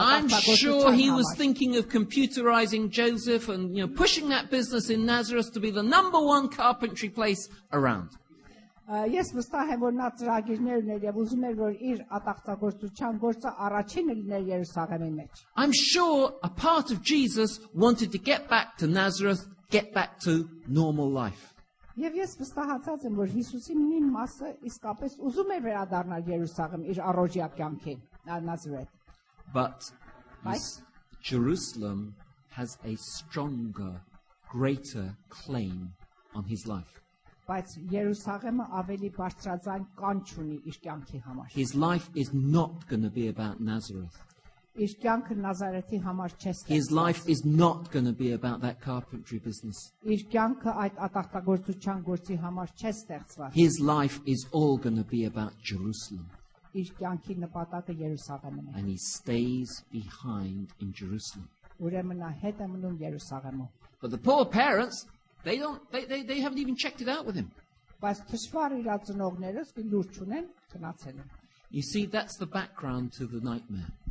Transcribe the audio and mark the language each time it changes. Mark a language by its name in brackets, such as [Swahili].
[English] I'm sure he was thinking of computerizing Joseph and you know pushing that business in Nazareth to be the number one carpentry place around. [Armenian] Ես վստահ եմ, որ նա ծրագիրներ ուներ եւ ուզում էր, որ իր ատաղծագործության գործը առաջինը լիներ Երուսաղեմի մեջ։ [English] I'm sure a part of Jesus wanted to get back to Nazareth, get back to normal life. [Armenian] Եվ ես վստահացած եմ, որ Հիսուսի մի մասը իսկապես ուզում էր վերադառնալ Երուսաղեմ իր առօրյա կյանքին, Նազրեթ։ [English] But Jerusalem has a stronger, greater claim on his life. [Armenian] Բայց Երուսաղեմը ավելի բարձրաձայն կանչ ունի իր կյանքի համար։ [English] His life is not going to be about Nazareth. [Armenian] Իր կյանքը Նազարեթի համար չէ։ [English] His life is not going to be about that carpentry business. [Armenian] Իր կյանքը այդ ատաղտագործության գործի համար չէ ստեղծված։ [English] His life is all going to be about Jerusalem. [Armenian] Իր կյանքի նպատակը Երուսաղեմն է։ [English] And he stays behind in Jerusalem. [Armenian] Ուրեմն նա հետ է մնում Երուսաղեմում։ [English] But the poor parents, they haven't even checked it out with him. [Armenian] Բայց դժվար իր ծնողները լուրջ ունեն գնացել են։ [English] You see, that's the background to the nightmare.